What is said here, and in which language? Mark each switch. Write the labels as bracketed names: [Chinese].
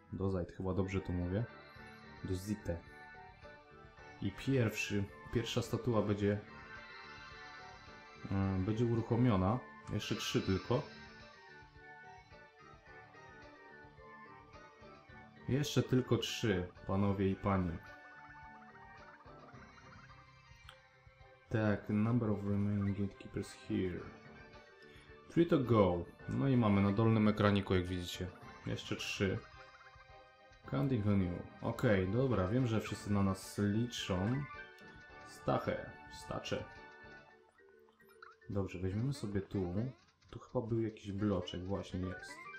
[Polish] Dozite, chyba dobrze to mówię. Dozite. I pierwsza statua będzie... będzie uruchomiona. Jeszcze trzy tylko. Jeszcze tylko trzy, panowie i panie. [English] Tak, number of remaining gatekeepers here. Three to go. [Polish] No i mamy na dolnym ekraniku, jak widzicie. Jeszcze trzy. [English] Counting on you. [Polish] Okej, dobra, wiem, że wszyscy na nas liczą. Stacze. Dobrze, weźmiemy sobie tu. Tu chyba był jakiś bloczek, właśnie jest.